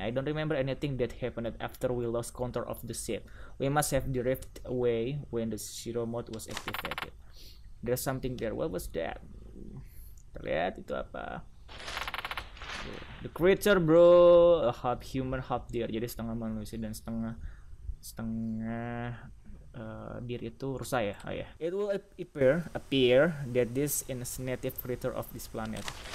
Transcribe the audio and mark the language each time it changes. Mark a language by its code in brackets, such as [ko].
[en] I don't remember anything that happened after we lost control of the ship. We must have drifted away when the zero mode was activated. There's something there. What was that? [id] Kita lihat itu apa. [en] The creature, bro, a half human half deer. [id] Jadi setengah manusia dan setengah deer itu rusa ya. [en] It will appear that this is native creature of this planet.